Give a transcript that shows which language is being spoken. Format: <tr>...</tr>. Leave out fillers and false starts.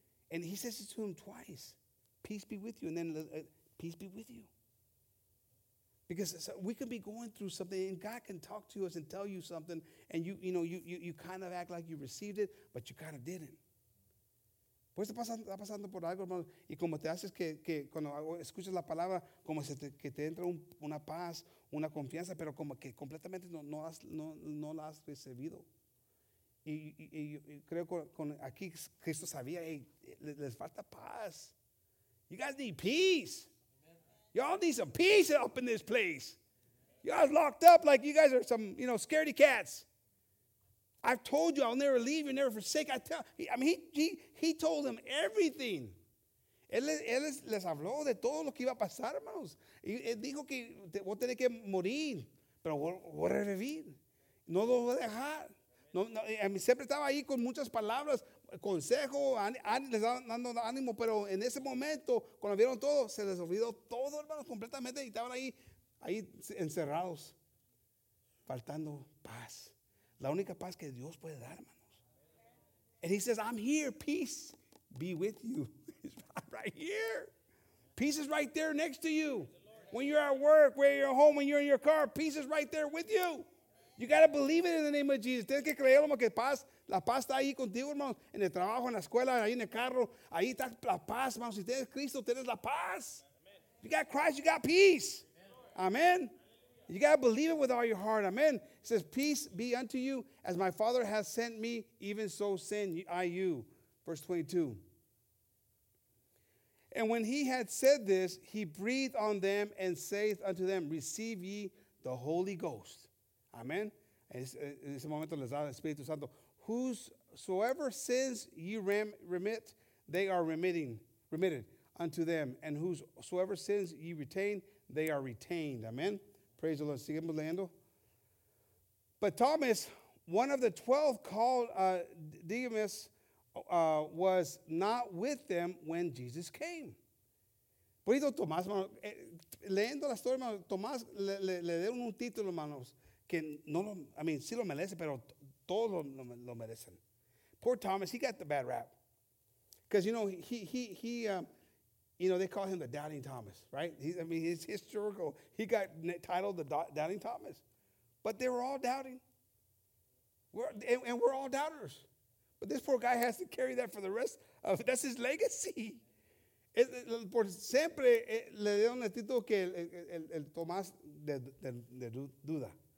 <en>And he says it to him twice. Peace be with you. And then peace be with you. Because we can be going through something and God can talk to us and tell you something. And you kind of act like you received it, but you kind of didn't.</en> <es>Pues está pasando por algo, hermano. Y como te haces que cuando escuchas la palabra, como se te, que te entra una paz, una confianza, pero como que completamente no la has recibido. Y creo que aquí Cristo sabía, hey, les falta paz.</es> <en>You guys need peace. Y'all need some peace up in this place. Y'all locked up like you guys are some, you know, scaredy cats. I've told you, I'll never leave you, never forsake. He told them everything.</en> <es>Él les habló de todo lo que iba a pasar, hermanos. Y él dijo que voy a tener que morir, pero voy a revivir. No lo voy a dejar. No, a mí siempre estaba ahí con muchas palabras, consejo, les dando ánimo, pero en ese momento, cuando vieron todo, se les olvidó todo, hermanos, completamente, y estaban ahí encerrados, faltando paz. La única paz que Dios puede dar, hermanos.</es> <en>And he says, I'm here, peace be with you. It's right here. Peace is right there next to you. When you're at work, where you're at home, when you're in your car, peace is right there with you. You got to believe it in the name of Jesus.</en> <es>Tienes que creerlo, que paz, la paz está ahí contigo, hermanos. En el trabajo, en la escuela, ahí en el carro. Ahí está la paz, hermanos. Si tienes Cristo, tienes la paz. Amen.</es> <en>You got Christ, you got peace. Amen. Amen. You got to believe it with all your heart. Amen. It says, peace be unto you. As my Father has sent me, even so send I you. Verse 22. And when he had said this, he breathed on them and saith unto them, receive ye the Holy Ghost. Amen.</en> <es>En ese momento les da el Espíritu Santo.</es> <en>Whosoever sins ye remit, they are remitted unto them. And whosoever sins ye retain, they are retained. Amen. Praise the Lord.</en> <es>Seguimos leyendo.</es> <en>But Thomas, one of the 12 called Didymus, was not with them when Jesus came.</en> <es>Por eso Tomás, leyendo la historia, Tomás le dieron un título, hermanos. Que no lo,</es> <en>I mean,</en> <es>sí lo merece, pero todos lo merecen.</es> <en>Poor Thomas, he got the bad rap. Because, you know, they call him the Doubting Thomas, right? He's historical. He got titled the Doubting Thomas. But they were all doubting. And we're all doubters. But this poor guy has to carry that for the rest of, that's his legacy.</en> <es>Por siempre le dieron el título que el Tomás de duda.</es>